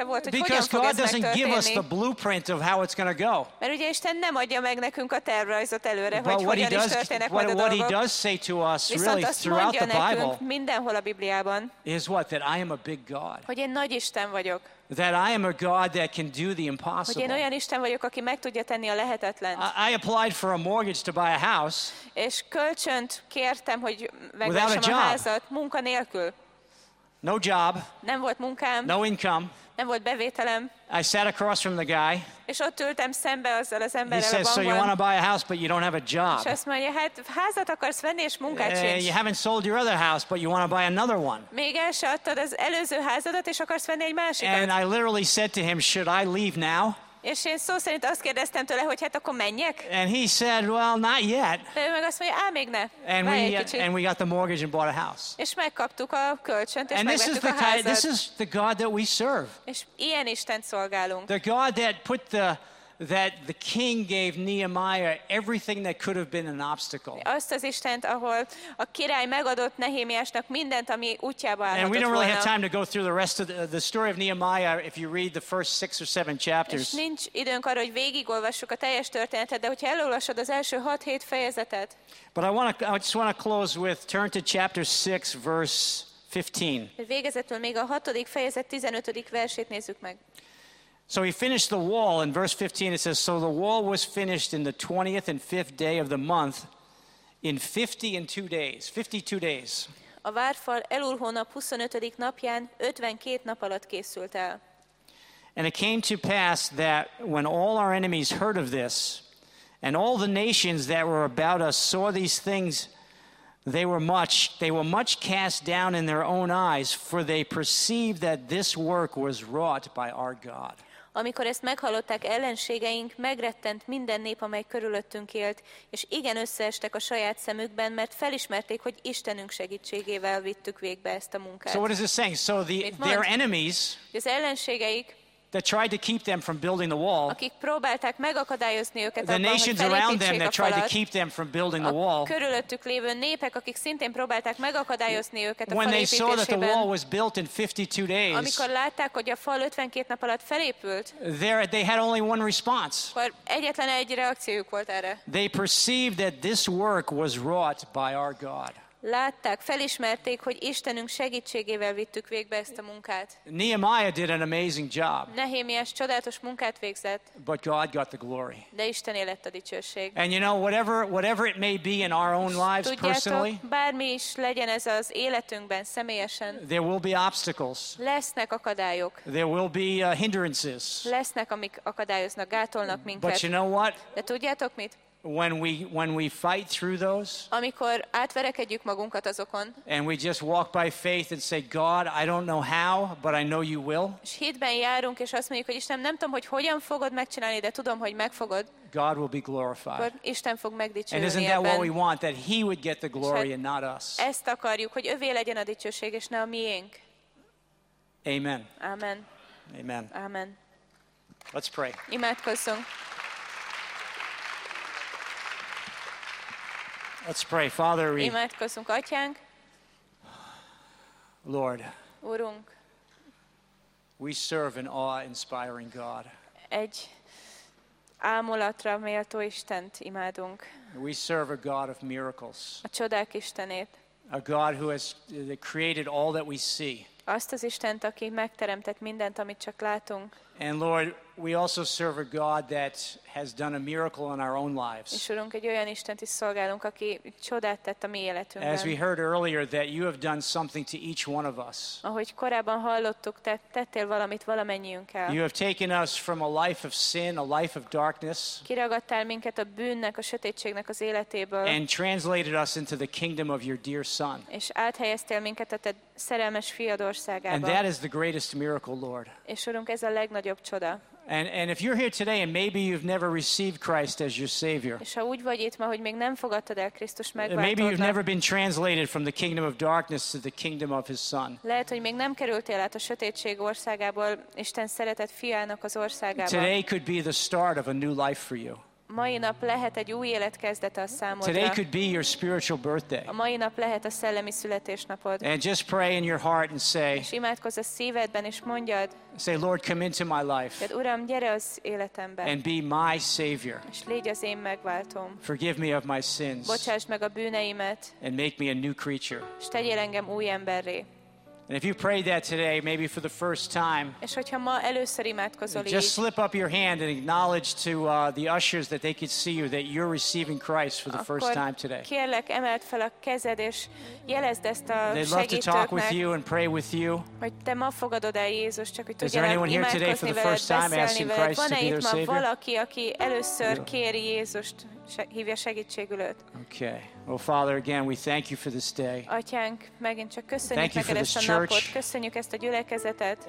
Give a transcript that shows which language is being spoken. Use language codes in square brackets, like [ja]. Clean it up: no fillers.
[en] Because God doesn't give us the blueprint of how it's going to go. But what he does say to us really throughout the Bible is what? That I am a big God. That I am a God that can do the impossible. [hu] Hogy én olyan Isten vagyok, aki meg tudja tenni a lehetetlent. [en] I applied for a mortgage to buy a house. [hu] És kölcsönt kértem, hogy megvessem a házat, munka nélkül. [en] No job. [hu] Nem volt munkám. [en] No income. [hu] Nem volt bevételem. [en] I sat across from the guy. [hu] És ott ültem szembe azzal az emberrel. [en] He says, so you want to buy a house, but you don't have a job. [hu] És azt mondja, hát házat akarsz venni, és munkát sincs. [en] You haven't sold your other house, but you want to buy another one. [hu] Még el se adtad az előző házadat, és akarsz venni egy másikat. [en] And I literally said to him, should I leave now? [hu] És én szó szerint azt kérdeztem tőle, hogy hát akkor menjek? [en] And he said, well, not yet. [hu] De ő meg azt mondja, még ne. [en] And we got the mortgage and bought a house. [hu] És megkaptuk a kölcsönt, és [en] and [hu] megvettük [en] this is [hu] a házat. [en] This is the God that we serve. [hu] És ilyen Istent szolgálunk. [en] The God that put the king gave Nehemiah everything that could have been an obstacle. [hu] Azt az Istent, ahol a király megadott Nehémiásnak mindent, ami útjába állhatott volna. [en] And we don't really have time to go through the rest of the story of Nehemiah if you read the first 6 or 7 chapters. [hu] És nincs időnk arra, hogy végigolvassuk a teljes történetet, de hogyha elolvasod az első 6-7 fejezetet. [en] But I just want to close with, turn to chapter 6, verse 15. [hu] Végezetül még a 6. fejezet 15. versét nézzük meg. [en] So he finished the wall. In verse 15 it says, so the wall was finished in the 20th and 5th day of the month, in 52 days. [hu] A várfal Elul hónap 25. napján 52 nap alatt készült el. [en] And it came to pass that when all our enemies heard of this, and all the nations that were about us saw these things, they were much cast down in their own eyes, for they perceived that this work was wrought by our God. [hu] Amikor ezt meghallották ellenségeink, megrettent minden nép, amely körülöttünk élt, és igen összeestek a saját szemükben, mert felismerték, hogy Istenünk segítségével vittük végbe ezt a munkát. [en] So what is this saying? So their enemies, [hu] az ellenségeik, [en] that tried to keep them from building the wall, [hu] akik próbálták megakadályozni őket abban, hogy felépítsék a falat, [en] the nations around them that tried to keep them from building the wall, [hu] a körülöttük lévő népek, akik szintén próbálták megakadályozni őket a falépítésében, [en] when they saw that the wall was built in 52 days, [hu] amikor látták, hogy a fal 52 nap alatt felépült, [en] they had only one response. [hu] Egyetlen egy reakciójuk volt erre. [en] They perceived that this work was wrought by our God. [hu] látták, felismerték, hogy Istenünk segítségével vittük végbe ezt a munkát. [en] Nehemiah did an amazing job. [hu] Nehémiás csodálatos munkát végzett. [en] But God got the glory. [hu] De Istené lett a dicsőség. [en] And you know, whatever it may be in our own lives personally. [hu] Bármi is legyen ez az életünkben személyesen. [en] There will be obstacles. [hu] Lesznek akadályok. [en] There will be hindrances. [hu] Lesznek, amik akadályoznak, gátolnak minket. [en] But you know what? [hu] De tudjátok mit? [en] When we fight through those, [hu] amikor átverekedjük magunkat azokon, [en] and we just walk by faith and say, God, I don't know how, but I know you will. [hu] És hitben járunk és azt mondjuk, hogy Istenem, nem tudom, hogy hogyan fogod megcsinálni, de tudom, hogy megfogod. [en] God will be glorified. [hu] Akkor Isten fog megdicsőülni. [en] And isn't that what we want? That He would get the glory and not us. [hu] Ezt akarjuk, hogy övé legyen a dicsőség és ne a miénk. Amen. Amen. Amen. Amen. [en] Let's pray. [hu] Imádkozzunk. [en] Let's pray. Father, we [hu] imádkozzunk, Atyánk. [en] Lord, [hu] Urunk, [en] we serve an awe-inspiring God. [hu] Egy álmulatra méltó Istent imádunk. [en] We serve a God of miracles. [hu] A csodák Istenét. [en] A God who has created all that we see. [hu] Azt az Istent, aki megteremtett mindent, amit csak látunk. [en] And Lord, we also serve a God that has done a miracle in our own lives. [hu] És Urunk, egy olyan Istent is szolgálunk, aki csodát tett a mi életünkben. [en] As we heard earlier, that you have done something to each one of us. [hu] Ahogy korábban hallottuk, te tettél valamit valamennyiünkkel. [en] You have taken us from a life of sin, a life of darkness. [hu] Kiragadtál minket a bűnnek, a sötétségnek az életéből. [en] And translated us into the kingdom of your dear Son. [hu] És áthelyeztél minket a te szerelmes fiad országába. [en] And that is the greatest miracle, Lord. [hu] És Urunk, ez a legnagyobb csoda. [en] And if you're here today and maybe you've never received Christ as your Savior. [hu] És ha úgy vagy itt ma, hogy még nem fogadtad el Krisztus megváltódnak. [en] Maybe you've never been translated from the kingdom of darkness to the kingdom of His Son. [hu] Lehet, hogy még nem kerültél át a sötétség országából Isten szeretett fiának az országába. [en] Today could be the start of a new life for you. [hu] Mai nap lehet egy új élet kezdete a számodra. [en] Today could be your spiritual birthday. [hu] A mai nap lehet a szellemi születésnapod. [en] And just pray in your heart and say. [hu] És imádkozz a szívedben és mondjad. [en] Say, Lord, come into my life. [hu] Tehát Uram, gyere az életembe. [en] And be my Savior. [hu] És légy az én megváltóm. [en] Forgive me of my sins. [hu] Bocsásd meg a bűneimet. [en] And make me a new creature. [hu] És tegyél engem új emberré. [en] And if you prayed that today, maybe for the first time, [hu] és hogyha ma először imádkozol így, [en] just slip up your hand and acknowledge to the ushers that they could see you that you're receiving Christ for the first time today. [hu] Kérlek, emeld fel a kezed és jelezd ezt a segítőknek. [en] They'd love to talk with you and pray with you. [hu] Hogy te ma fogadod el Jézus, csak hogy tudjál imádkozni veled, beszélni veled. [en] Is there anyone here today for the first time asking Christ to be their Savior? [hu] Van-e itt ma valaki, aki először kéri Jézust, hívja segítségül őt? [en] Okay. Well, Father, again, we thank you for this day. [hu] Atyánk, megint csak köszönjük neked ezt a napot, köszönjük ezt a gyülekezetet.